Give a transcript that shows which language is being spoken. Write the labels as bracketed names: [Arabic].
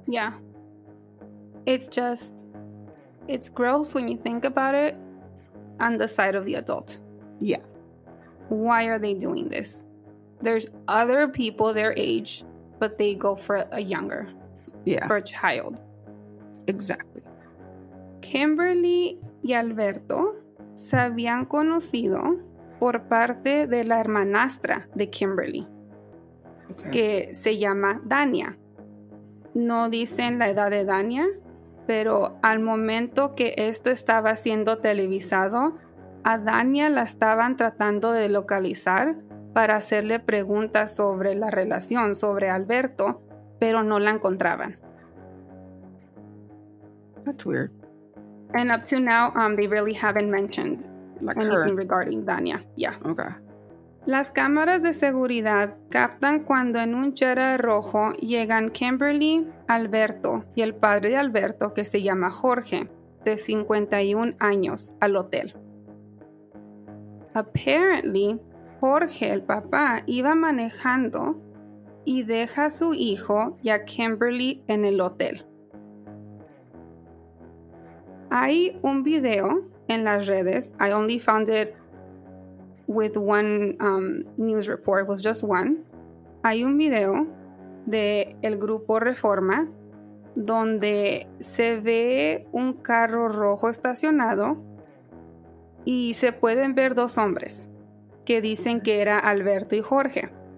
[English] Yeah. It's just... It's gross when you think about it on the side of the adult. Yeah. Why are they doing this? There's other people their age, but they go for a younger. Yeah. For a child. Exactly. [Spanish] Kimberly y Alberto se habían conocido por parte de la hermanastra de Kimberly, [English] okay, [Spanish] que se llama Dania. No dicen la edad de Dania, pero al momento que esto estaba siendo televisado, a Dania la estaban tratando de localizar para hacerle preguntas sobre la relación, sobre Alberto, pero no la encontraban. [English] That's weird. And up to now, they really haven't mentioned like anything her regarding Dania. Yeah. Okay. [Spanish] Las cámaras de seguridad captan cuando en un Jetta rojo llegan Kimberly, Alberto y el padre de Alberto, que se llama Jorge, de 51 años, al hotel. Apparently, Jorge, el papá, iba manejando y deja a su hijo y a Kimberly en el hotel. Hay un video en las redes. [English] I only found it with one news report. It was just one. [Spanish] Hay un video de el grupo Reforma donde se ve un carro rojo estacionado y se pueden ver dos hombres que dicen que era Alberto y Jorge.